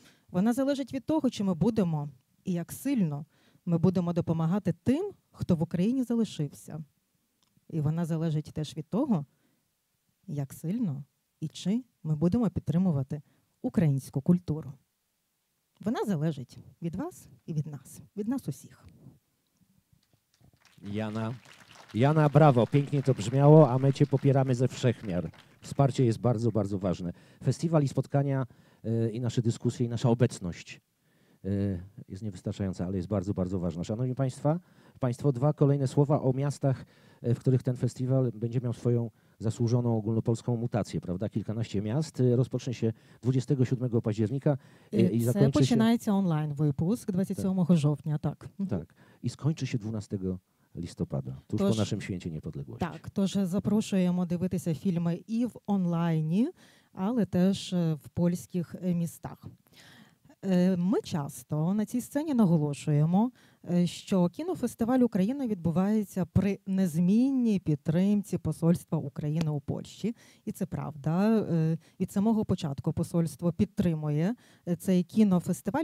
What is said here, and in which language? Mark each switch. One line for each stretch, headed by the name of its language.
Ukrainian: Вона залежить від того, чи ми будемо і як сильно ми будемо допомагати тим, хто в Україні залишився. І вона залежить теж від того, як сильно і чи ми будемо підтримувати українську культуру. Вона залежить від вас і від нас усіх.
Polish: Яна, браво, пięknie to brzmiało, a my cię popieramy ze wszechmiar. Wsparcie jest bardzo, bardzo ważne. Festiwal i spotkania, i nasze dyskusje, i nasza obecność jest niewystarczająca, ale jest bardzo, bardzo ważna. Szanowni Państwa, dwa kolejne słowa o miastach, w których ten festiwal będzie miał swoją zasłużoną ogólnopolską mutację, prawda? Kilkanaście miast. Rozpocznie się 27 października i zakończy się... Poczynaje się online wypusk 27 grudnia, tak. Tak. I skończy się 12 listopada, tuż po naszym święcie niepodległości. Tak, to że zapraszamy dywitися filmy i w online, ale też w polskich miastach.
Ukrainian: Ми часто на цій сцені наголошуємо, що кінофестиваль «Україна» відбувається при незмінній підтримці посольства України у Польщі. І це правда. Від самого початку посольство підтримує цей кінофестиваль.